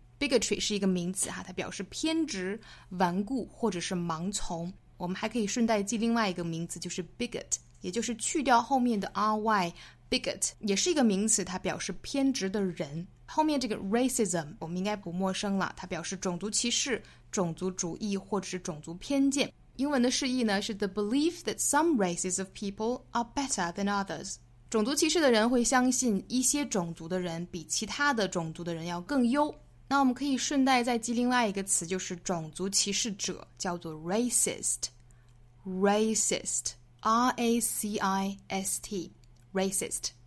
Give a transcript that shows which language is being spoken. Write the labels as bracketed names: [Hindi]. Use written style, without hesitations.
[Chinese] bigotry 是一个名词哈，它表示偏执、顽固或者是盲从。我们还可以顺带记另外一个名词，就是 bigot， 也就是去掉后面的 ry， bigot 也是一个名词，它表示偏执的人。后面这个 racism 我们应该不陌生了，它表示种族歧视、种族主义或者是种族偏见。 [English] 英文的释义呢是 the belief that some races of people are better than others， [Chinese] 种族歧视的人会相信一些种族的人比其他的种族的人要更优。那我们可以顺带再记另外一个词，就是种族歧视者，叫做 racist。 racist， R-A-C-I-S-T， racist。